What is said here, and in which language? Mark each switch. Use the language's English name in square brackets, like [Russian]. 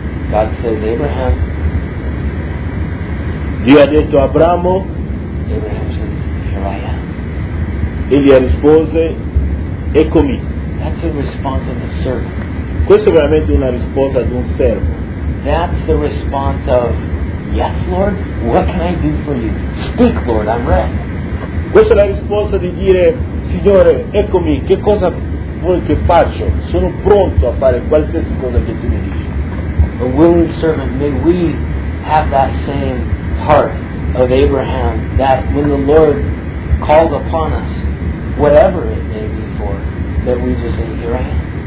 [English] God says, Abraham. [Italian] Dio ha detto Abramo. [English] Abraham says, here I am. [Italian] Egli ha risposto, eccomi. [English] That's a response of a servant. [Italian] Questo è veramente una risposta di un servo. [English] That's the response of, yes, Lord, what can I do for you? Speak, Lord, I'm ready. [Italian] Questa è la risposta di dire, Signore, eccomi, che cosa vuoi che faccio? Sono pronto a fare qualsiasi cosa che tu mi dici. [English] A willing servant, may we have that same heart of Abraham, that when the Lord calls upon us, whatever it may be for, that we just say, here I am.